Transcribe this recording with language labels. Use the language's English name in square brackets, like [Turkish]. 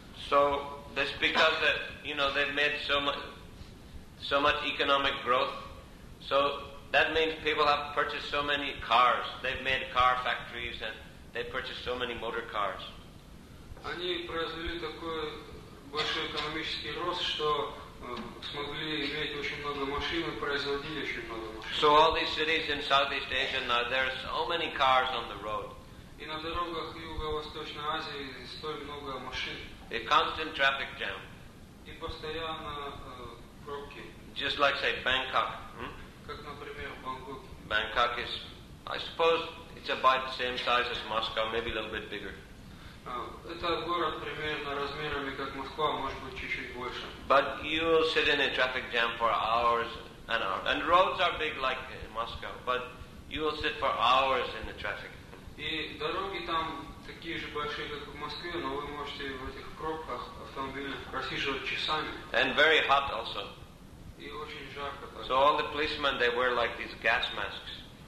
[English] So that's because that you know they've made so much economic growth. So that means people have purchased so many cars. They've made car factories and they purchased so many motor cars. [Russian] Они произвели такой большой экономический рост, что смогли иметь очень много машин и производили очень много машин. [English] So all these cities in Southeast Asia now there are so many cars on the road. [Russian] И на дорогах Юго-Восточной Азии столь много машин. [English] A constant traffic jam. [Russian] И постоянно пробки. [English] Just like, say, Bangkok. [Russian] Как, например, Бангкок. [English] Bangkok is, I suppose, it's about the same size as Moscow, maybe a little bit bigger. [Russian] Это город примерно размерами, как Москва, может быть, чуть-чуть больше. [English] But you will sit in a traffic jam for hours and hours. And roads are big like Moscow, but you will sit for hours in the traffic. [Russian] И дороги там такие же большие, как в Москве, но вы можете в этих пробках автомобильных просиживать часами. [English] And very hot also. [Russian] И очень жарко. Так. [English] So all the policemen, they wear like these gas masks.